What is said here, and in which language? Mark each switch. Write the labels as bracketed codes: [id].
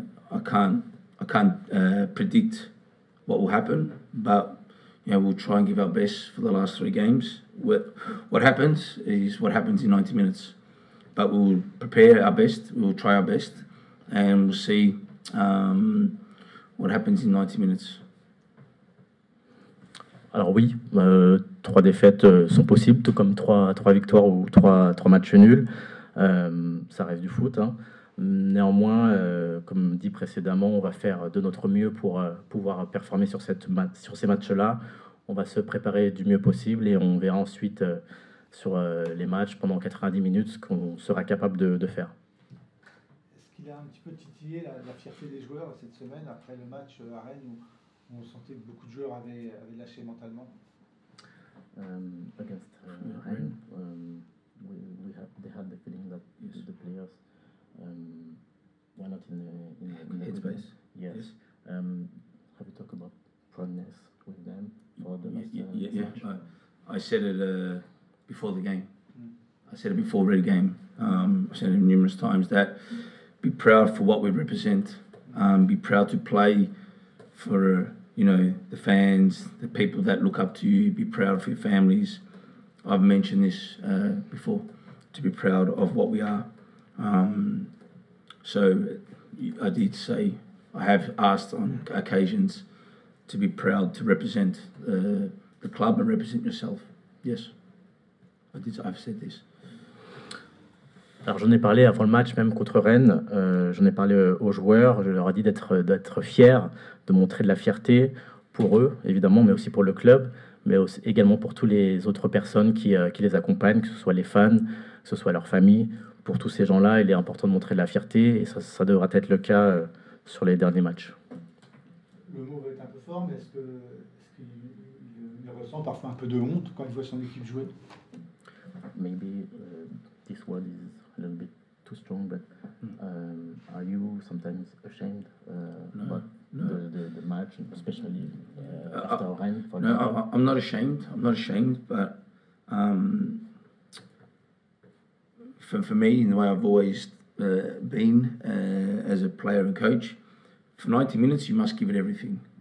[en] I can't predict what will happen, but you know, we'll try and give our best for the last three games. What happens is what happens in 90 minutes. But we'll prepare our best, we'll try our best, and we'll see what happens in 90 minutes. [fr] Alors oui, trois défaites sont possibles, tout comme trois victoires ou trois matchs nuls. Ça reste du foot. Hein. Néanmoins, comme dit précédemment, on va faire de notre mieux pour pouvoir performer sur ces matchs-là. On va se préparer du mieux possible et on verra ensuite... sur les matchs pendant 90 minutes, ce qu'on sera capable de faire. Est-ce qu'il a un petit peu titillé la fierté des joueurs cette semaine après le match à Rennes où on sentait que beaucoup de joueurs avaient lâché mentalement? [en] Against Rennes, they had the feeling that the players were not in the headspace. Yes. Have you talked about progress with them for the last match? I said it before the game. Mm. I said it before the game. I said it numerous times that be proud for what we represent. Be proud to play for, you know, the fans, the people that look up to you. Be proud for your families. I've mentioned this before, to be proud of what we are. So I did say, I have asked on occasions to be proud to represent the club and represent yourself. Yes, I've said this. [fr] Alors j'en ai parlé avant le match, même contre Rennes, j'en ai parlé aux joueurs, je leur ai dit d'être fiers, de montrer de la fierté pour eux, évidemment, mais aussi pour le club, mais aussi, également pour toutes les autres personnes qui les accompagnent, que ce soit les fans, que ce soit leur famille. Pour tous ces gens-là, il est important de montrer de la fierté, et ça devra être le cas sur les derniers matchs. Le mot est un peu fort, mais est-ce qu'il ressent parfois un peu de honte quand il voit son équipe jouer? [en] Maybe this word is a little bit too strong, but are you sometimes ashamed the match, especially after Rennes? I'm not ashamed. I'm not ashamed, but for me, in the way I've always been as a player and coach, for 90 minutes you must give it everything.